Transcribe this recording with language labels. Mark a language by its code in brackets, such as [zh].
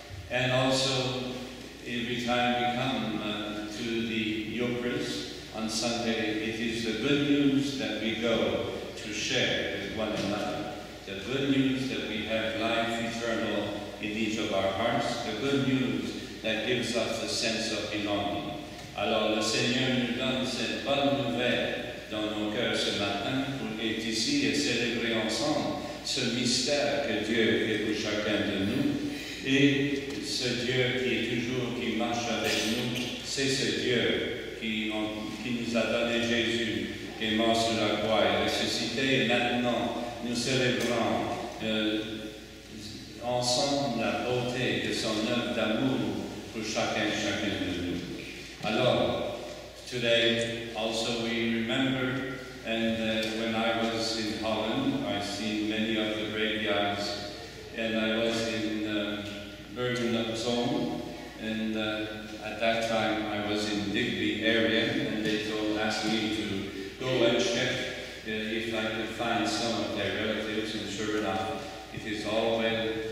[en] And also, every time we come to the Eucharist on Sunday, it is the good news that we go to share with one another. The good news that we have life eternal in each of our hearts. The good news that gives us a sense of belonging. [fr] Alors, le Seigneur nous donne cette bonne nouvelle dans nos cœurs ce matin pour être ici et célébrer ensemble ce mystère que Dieu fait pour chacun de nous. Et ce Dieu qui est toujours, qui marche avec nous, c'est ce Dieu qui nous a donné Jésus, qui est mort sur la croix et ressuscité. Et maintenant, nous célébrons ensemble la beauté de son œuvre d'amour pour chacun et chacun de nous. Alors, [en] today, also we remember, and when I was in Holland, I seen many of the graveyards, and I was in Bergen-op-Zoom, and at that time I was in Digby area, and they asked me to go and check if I could find some of their relatives, and sure enough, it is all well.